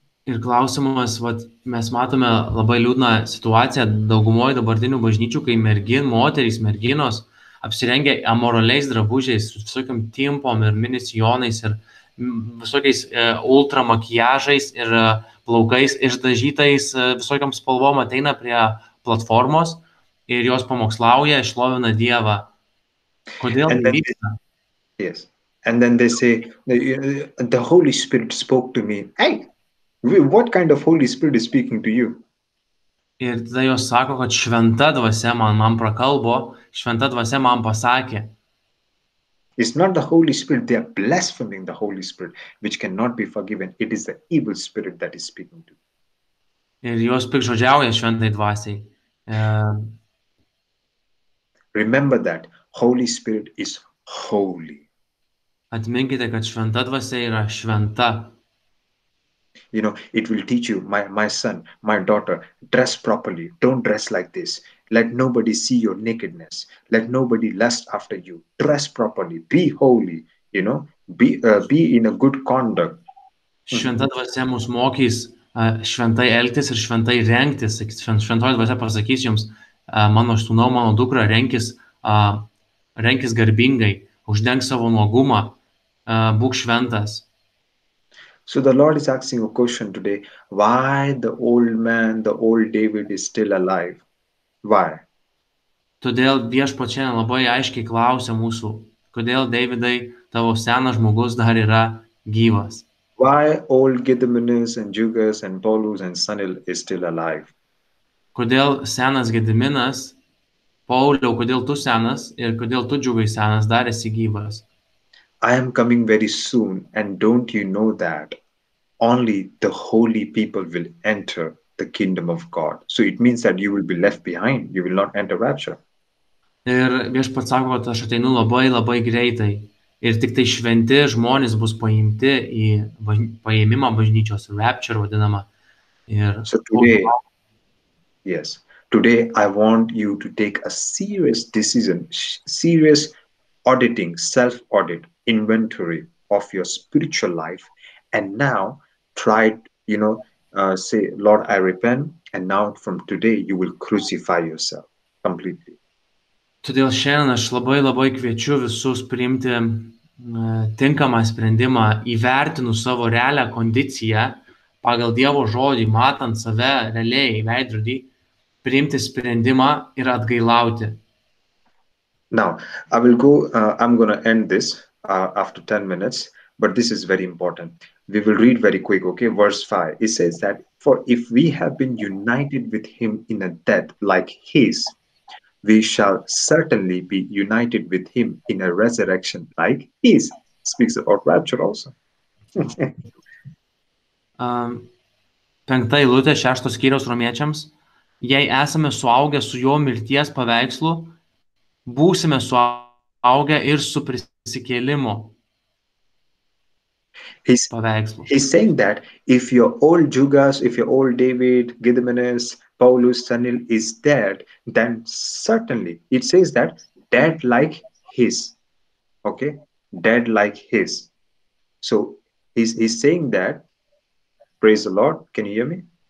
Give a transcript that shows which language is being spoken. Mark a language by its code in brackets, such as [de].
[lt] Ir klausimas, vat, mes matome labai liūdną situaciją daugumoje dabartinių bažnyčių, kai merginos apsirengia amoraliais drabužiais, su visokiam timpom ir mini sijonais ir visokiais ultra makijažais ir plaukais išdažytais visokiam spalvom ateina prie platformos ir jos pamokslauja, išlovina Dievą. Kodėl įvyksta? [en] Yes. And then they say, the Holy Spirit spoke to me. Hey! What kind of Holy Spirit is speaking to you? [lt] Ir tada jos sako, kad šventa dvasia man prakalbo, šventa dvasia man pasakė. [en] It's not the Holy Spirit, they are blaspheming the Holy Spirit, which cannot be forgiven. It is the evil spirit that is speaking to you. [lt] Ir jos pikžodžiauja šventai dvasiai. [en] Remember that Holy Spirit is holy. [lt] Atminkite, kad šventa dvasia yra šventa. [en] You know, it will teach you, my son, my daughter, dress properly. Don't dress like this. Let nobody see your nakedness. Let nobody lust after you. Dress properly. Be holy, you know. Be in a good conduct. [lt] Šventa dvasia mus mokys šventai elgtis ir šventai rengtis. Šventoji dvasia pasakys jums, mano sūnau, mano dukra, renkis garbingai. Uždenk savo nuogumą. Būk šventas. [en] So the Lord is asking a question today, why the old man, the old David is still alive? Why? [lt] Todėl viešpats šiandien labai aiškiai klausia mūsų, kodėl Davidai, tavo senas žmogus dar yra gyvas? [en] Why old Gediminas and Jugas and Paulus and Sunil is still alive? [lt] Kodėl senas Gediminas, Pauliau, kodėl tu senas ir kodėl tu Džiugai senas dar esi gyvas? [en] I am coming very soon, and don't you know that only the holy people will enter the kingdom of God. So it means that you will be left behind. You will not enter rapture. [lt] Ir viešpats sako, kad aš ateinu labai, labai greitai. Ir tik tai šventi žmonės bus paimti į paėmimą bažnyčios, rapture vadinama. Ir [en] so today, yes, today I want you to take a serious decision, serious auditing, self-audit, inventory of your spiritual life, and now try, you know, say, Lord, I repent, and now from today you will crucify yourself completely. [lt] Todėl šiandien aš labai labai kviečiu visus priimti tinkamą sprendimą, įvertinu savo realią kondiciją pagal Dievo žodį, matant save realiai veidrodį, priimti sprendimą ir atgailauti. [en] Now I will go, I'm going to end this after 10 minutes, but this is very important. We will read very quick, okay? Verse 5, it says that, for if we have been united with him in a death like his, we shall certainly be united with him in a resurrection like his. Speaks about rapture also. [lt] Penkta eilutė šeštos skyriaus romiečiams. Jei esame suaugę su jo mirties paveikslu, būsime suaugę ir su prisikėlimu paveikslu. [en] He's saying that if your old Jugas, if your old David, Gediminas, Paulus, Sunil is dead, then certainly it says that dead like his. Okay? Dead like his. So he's saying that. Praise the Lord. Can you hear me?